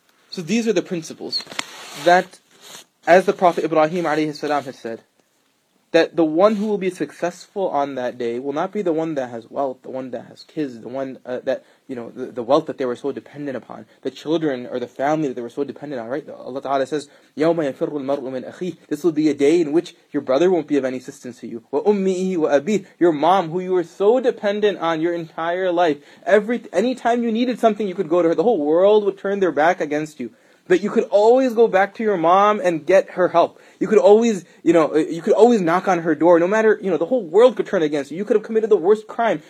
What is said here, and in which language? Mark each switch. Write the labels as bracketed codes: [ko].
[en] So these are the principles that, as the Prophet Ibrahim alayhi salam has said, that the one who will be successful on that day will not be the one that has wealth, the one that has kids, the wealth that they were so dependent upon, the children or the family that they were so dependent on, right? Allah Ta'ala says, [ar] يَوْمَ يَفِرُّ الْمَرْءُ مِنْ أَخِيهِ. [en] This will be a day in which your brother won't be of any assistance to you. [ar] وَأُمِّهِ وَأَبِيهِ. [en] Your mom, who you were so dependent on your entire life, anytime you needed something, you could go to her. The whole world would turn their back against you. But you could always go back to your mom and get her help. You could always knock on her door. No matter, the whole world could turn against you. You could have committed the worst crime.